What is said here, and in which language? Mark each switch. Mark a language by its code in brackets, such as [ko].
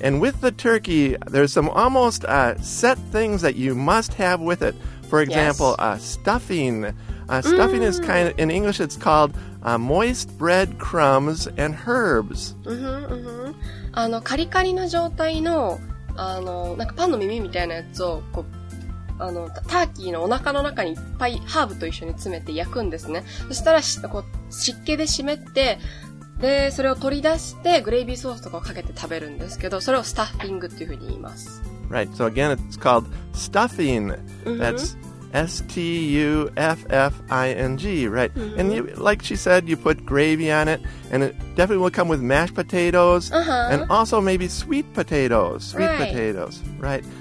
[en] And with the turkey, there's some almost set things that you must have with it. For example, stuffing. Stuffing is kind of, in English, it's called... moist bread crumbs and herbs. [ja] カリカリの状態の、なんかパンの耳みたいなやつをこうターキーのお腹の中にいっぱいハーブと一緒に詰めて焼くんですね。そしたらこう湿気で湿って、で、それを取り出してグレイビーソースとかをかけて食べるんですけど、それをスタッフィングっていうふうに言います。 [en] Right, so again it's called stuffing. That's S-T-U-F-F-I-N-G, right? Mm-hmm. And you, like she said, you put gravy on it, and it definitely will come with mashed potatoes, uh-huh. and also maybe sweet potatoes, sweet right. potatoes, right?